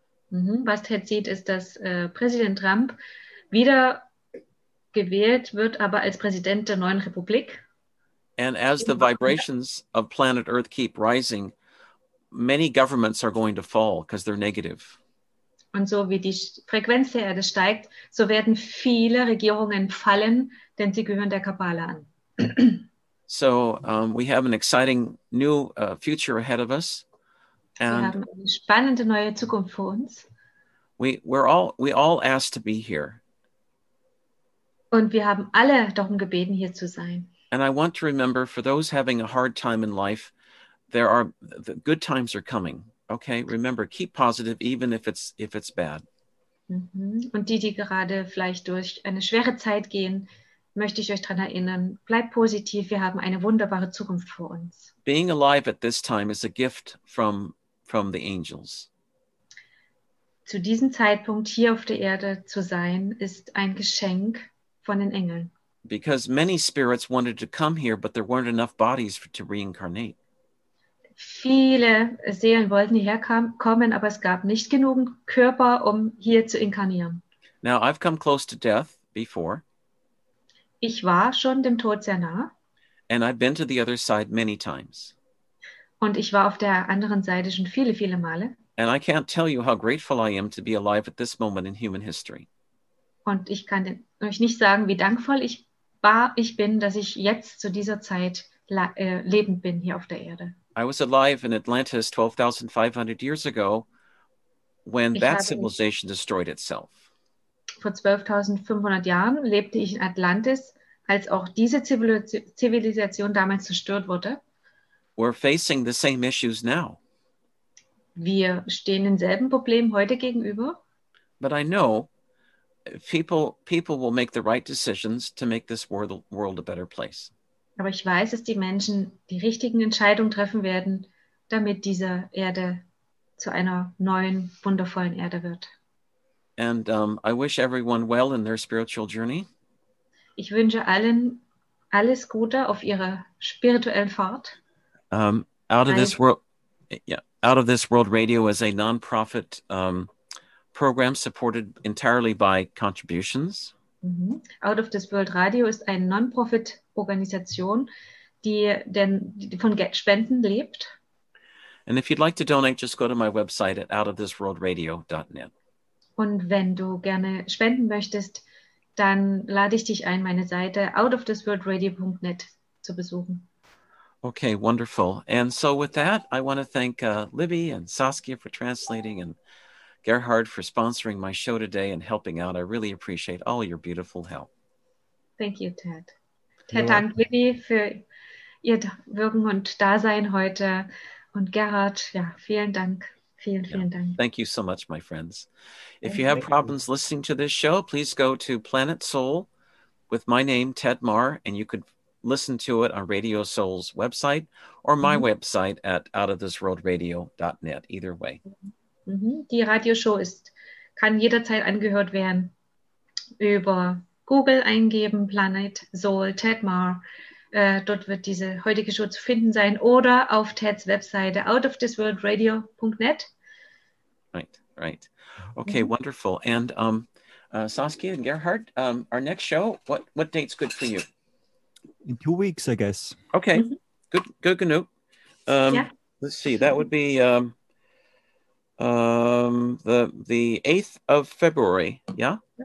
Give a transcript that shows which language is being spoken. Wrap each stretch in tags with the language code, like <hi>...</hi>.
<de>Was Ted sieht, ist, dass Präsident Trump wieder gewählt wird, aber als Präsident der neuen Republik.</de> <en>And as the vibrations of planet Earth keep rising, many governments are going to fall because they're negative.</en> <de>Und so wie die Frequenz der Erde steigt, so werden viele Regierungen fallen, denn sie gehören der Kabbala an.</de> <en>So we have an exciting new future ahead of us.</en> <de>And wir haben eine spannende neue Zukunft vor uns.</de> <en>We all asked to be here.</en> <de>Und wir haben alle darum gebeten, hier zu sein.</de> <en>And I want to remember, for those having a hard time in life, there are the good times are coming. Okay, remember, keep positive, even if it's bad. Mm-hmm.</en> <de>Und die gerade vielleicht durch eine schwere Zeit gehen, möchte ich euch daran erinnern, bleibt positiv, wir haben eine wunderbare Zukunft vor uns.</de> <en>Being alive at this time is a gift from the angels.</en> <de>Zu diesem Zeitpunkt hier auf der Erde zu sein, ist ein Geschenk von den Engeln.</de> <en>Because many spirits wanted to come here, but there weren't enough bodies to reincarnate.</en> <de>Viele Seelen wollten hierher kommen, aber es gab nicht genug Körper, um hier zu inkarnieren.</de> <en>Now, I've come close to death before.</en> <de>Ich war schon dem Tod sehr nah.</de> <en>And I've been to the other side many times.</en> <de>Und ich war auf der anderen Seite schon viele, viele Male.</de> <en>And I can't tell you how grateful I am to be alive at this moment in human history.</en> <de>Und ich kann euch nicht sagen, wie dankvoll ich bin, dass ich jetzt zu dieser Zeit lebend bin hier auf der Erde.</de> <en>I was alive in Atlantis 12,500 years ago when that civilization destroyed itself.</en> <de>Vor 12,500 Jahren lebte ich in Atlantis, als auch diese Zivilisation damals zerstört wurde.</de> <en>We're facing the same issues now.</en> <de>Wir stehen denselben Problem heute gegenüber.</de> <en>But I know people will make the right decisions to make this world a better place.</en> <de>Aber ich weiß, dass die Menschen die richtigen Entscheidungen treffen werden, damit diese Erde zu einer neuen, wundervollen Erde wird.</de> <en>And I wish everyone well in their spiritual journey.</en> <de>Ich wünsche allen alles Gute auf ihrer spirituellen Fahrt.</de> <en>Out of This World Radio is a non-profit program supported entirely by contributions.</en> <de>Mm-hmm. Out of This World Radio ist eine Non-Profit-Organisation, die von Spenden lebt.</de> <en>And if you'd like to donate, just go to my website at outofthisworldradio.net.</en> <de>Und wenn du gerne spenden möchtest, dann lade ich dich ein, meine Seite outofthisworldradio.net zu besuchen.</de> <en>Okay, wonderful. And so with that, I want to thank Libby and Saskia for translating and Gerhard for sponsoring my show today and helping out. I really appreciate all your beautiful help. Thank you, Ted.</en> <de>Ted, danke Libby für ihr Wirken und Dasein heute. Und Gerhard, ja, vielen Dank. Vielen Dank.</de> <en>Thank you so much, my friends. If you have problems listening to this show, please go to Planet Soul with my name, Ted Marr, and you could listen to it on Radio Soul's website or my website at outofthisworldradio.net, either way.</en> <de>Mm-hmm. Die Radioshow kann jederzeit angehört werden. Über Google eingeben, Planet Soul, Ted Marr. Dort wird diese heutige Show zu finden sein oder auf Teds Webseite outofthisworldradio.net.</de> <en>Right, right. Okay, wonderful. And Saskia and Gerhard, our next show, what date's good for you? In 2 weeks, I guess. Okay, good. Let's see, that would be the 8th of February, yeah?</en>